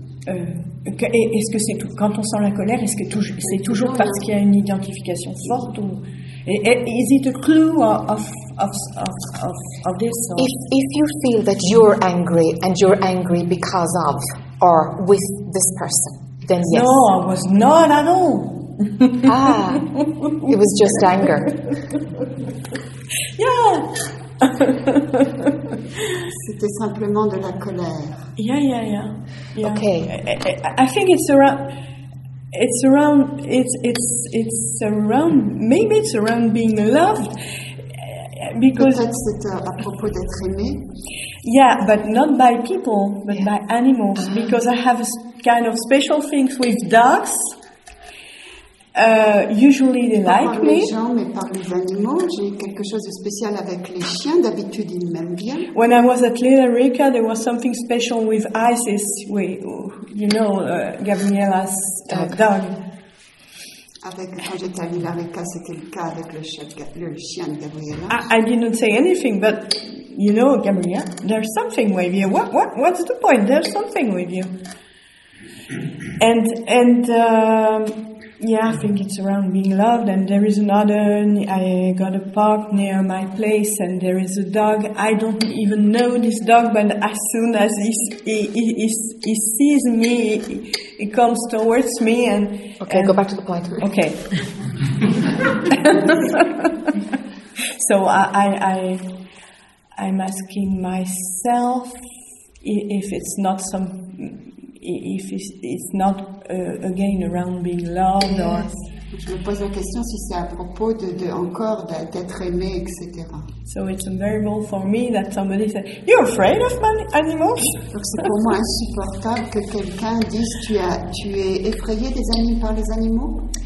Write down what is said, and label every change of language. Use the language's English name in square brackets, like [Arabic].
[French] Est-ce que c'est quand on sent la colère, est-ce que c'est toujours parce qu'il y a une identification forte, ou? [English] Is it a clue of this? Or? If you feel that you're angry and you're angry because of or with this person, then yes. No, I was not at all. It was just anger. Yeah. [French] C'était simplement de la colère. [English] Yeah. Okay. I think it's around being loved, because [French] peut-être c'est à propos d'être aimé. [English] Yeah, but not by people, but by animals, because I have a kind of special things with dogs. Usually they like me. [French] Par les gens, mais par les animaux, j'ai quelque chose de spécial avec les chiens. D'habitude, ils m'aiment bien. [English] When I was at Little Rica, there was something special with Isis. Gabriela's dog. [French] Quand j'étais à Little Rica, c'était le cas avec le chien de Gabriela. [English] I didn't say anything, but you know, Gabriela, there's something with you. What's the point? There's something with you. Yeah, I think it's around being loved, and there is another. I got a park near my place, and there is a dog. I don't even know this dog, but as soon as he sees me, he comes towards me, and okay, and go back to the point. Okay. So I'm asking myself if it's not some. If it's not again around being loved, or [French] je me pose la question si c'est à propos de encore d'être aimé, etc. [English] So it's unbearable for me that somebody said you're afraid of animals. [French] Donc c'est pour moi insupportable que quelqu'un dise tu es effrayé par les animaux.